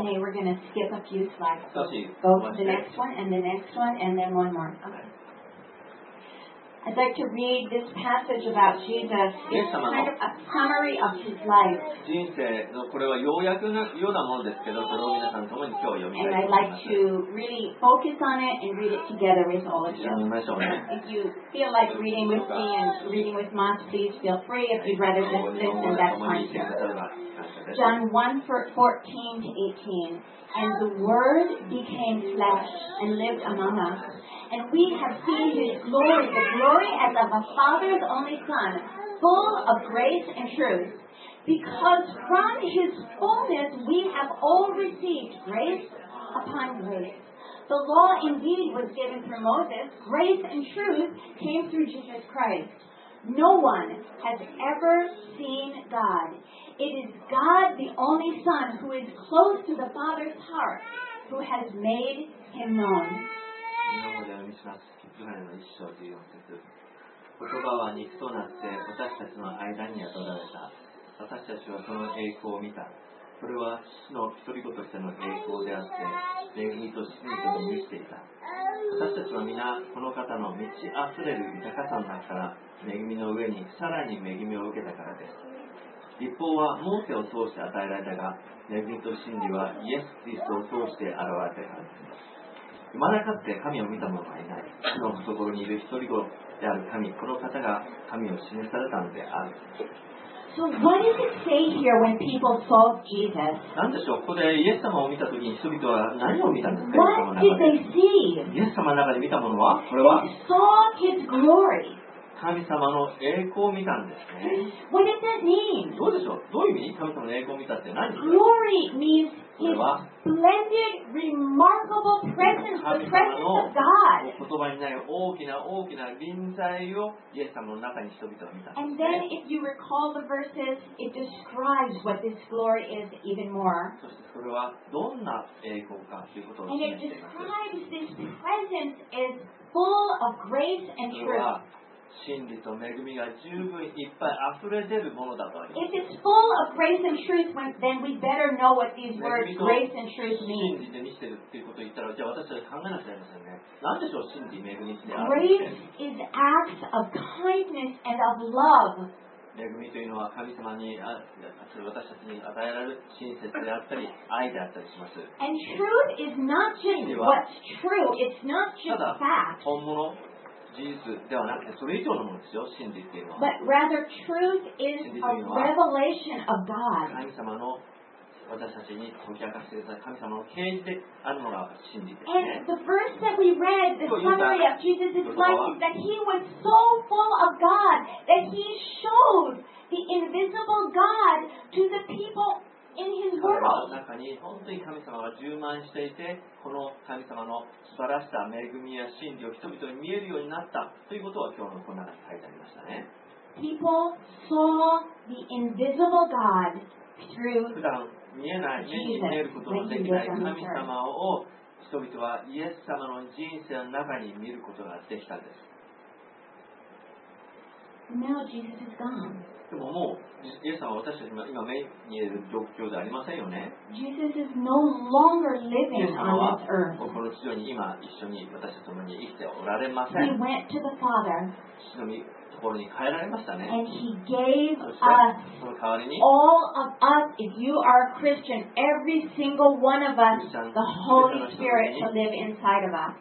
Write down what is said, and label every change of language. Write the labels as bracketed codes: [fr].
[en] Okay, we're gonna skip a few slides. [ja] 少し、 [en] go to the next one, and the next one, and then one more. Okay. I'd like to read this passage about Jesus. It's kind of a summary of his life. [ja] 人生のこれは要約のようなものですけど、それを皆さんともに今日読みたいと思います。 [en] And I'd like to really focus on it and read it together with all of you. [ja] 読みましょうね。 [en] If you feel like reading with me and reading with Mom, please feel free. If you'd rather just listen, that's fine too. John 1:14-18. And the Word became flesh and lived among us. And we have seen His glory, the glory as of a Father's only Son, full of grace and truth. Because from His fullness we have all received grace upon grace. The law indeed was given through Moses. Grace and truth came through Jesus Christ. No one has ever seen God. It is God, the only Son, who is close to the Father's heart, who has made Him known. [ja] 今まで読みします。ヨハネの一章という節。言葉は肉となって私たちの間に宿られた。私たちはその栄光を見た。それは父の独り子としての栄光であって、恵みと真実を満ちていた。私たちは皆、この方の満ち溢れる豊かさの中から、恵みの上にさらに恵みを受けたからです。律法はモーセを通して与えられたが、恵みと真理はイエス・キリストを通して現れたからです。生まれかって神を見た者はいない。父の懐にいる独り子である神、この方が神を示されたのである。 [en] So what does it say here when people saw Jesus? [ja] 何でしょう。ここでイエス様を見たときに人々は何を見たんですか。 [en] What did they see? [ja] イエス様の中で見たものは、これは [en] They saw His glory. [ja] 神様の栄光を見たんですね。 [en] What does that mean? [ja] どうでしょう。どういう意味？神様の栄光を見たって何ですか。 [en] Glory means His splendid, remarkable presence, the presence of God. [ja] 言葉にない大きな大きな臨在をイエス様の中に人々は見たんですね。 [en] And then, if you recall the verses, it describes what this glory is even more. [ja] そしてそれはどんな栄光かということを示しています。 [en] And it describes this presence is full of grace and truth. [ja] 真理と恵みが十分いっぱい溢れ出るものだとあります。 [en] If it's full of grace and truth, then we better know what these words grace and truth mean. [ja] 真理で満ちてるっていうことを言ったら、じゃあ私たちは考えなくちゃいけませんね。なんでしょう、真理、恵みってある。 [en] Grace is acts of kindness and of love. [ja] 恵みというのは神様に、それ私たちに与えられる親切であったり、愛であったりします。 [en] And truth is not just what's true, it's not just fact. [ja] 本物。事実ではなくてそれ以上のものですよ、真理というのは。 [en] But rather, truth is a revelation of God. [ja] 神様の私たちに解き明かしてください。神様の啓示であるのが真理ですね。 [en] And the verse that we read, the summary of Jesus' life, is that he was so full of God that he showed the invisible God to the people in his world. [ja] 彼の中に本当に神様が充満していて、この神様の素晴らしさ、恵みや真理を人々に見えるようになったということは今日のこの中に書いてありましたね。 [en] People saw the invisible God through [ja] 普段見えない、目に見えることのできない神様を人々はイエス様の人生の中に見ることができたんです。 [en] Now Jesus is gone. [ja] でももうイエス様は私たちが今目に見える状況ではありませんよね。 [en] Jesus is no longer living on this earth. [ja] イエス様はこの地上に今一緒に私たちと共に生きておられません。 [en] He went to the Father. [ja] 父のところに帰られましたね。 [en] And he gave us, [ja] その代わりに、 [en] all of us, if you are a Christian, every single one of us, the Holy Spirit shall live inside of us.